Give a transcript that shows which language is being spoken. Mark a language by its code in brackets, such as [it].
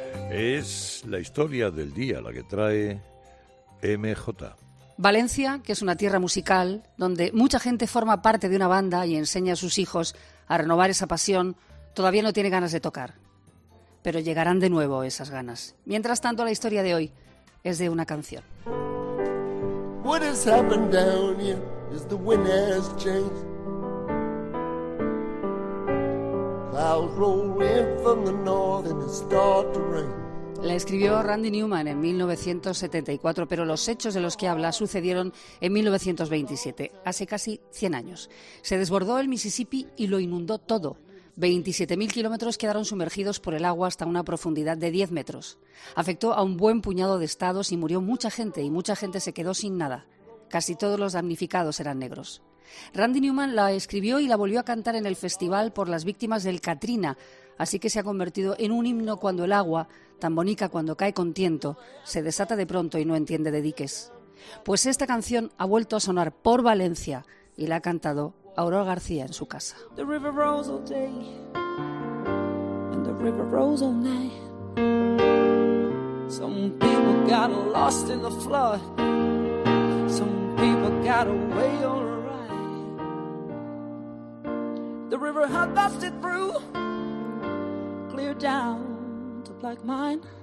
[es] Es la historia del día la que trae MJ. Valencia, que es una tierra musical donde mucha gente forma parte de una banda y enseña a sus hijos a renovar esa pasión, todavía no tiene ganas de tocar. Pero llegarán de nuevo esas ganas. Mientras tanto, la historia de hoy es de una canción. [en] What has happened down here is the wind has changed. Clouds roll in from the north and it starts to rain. [es] La escribió Randy Newman en 1974, pero los hechos de los que habla sucedieron en 1927, hace casi 100 años. Se desbordó el Mississippi y lo inundó todo. 27.000 kilómetros quedaron sumergidos por el agua hasta una profundidad de 10 metros. Afectó a un buen puñado de estados y murió mucha gente, y mucha gente se quedó sin nada. Casi todos los damnificados eran negros. Randy Newman la escribió y la volvió a cantar en el festival por las víctimas del Katrina, así que se ha convertido en un himno cuando el agua, tan bonita cuando cae con tiento, se desata de pronto y no entiende de diques. Pues esta canción ha vuelto a sonar por Valencia y la ha cantado Aurora García en su casa. [en] The river rose all day and the river rose all night. Some people got lost in the flood. Some people got away on a ride. The river had busted through, clear down to black mine.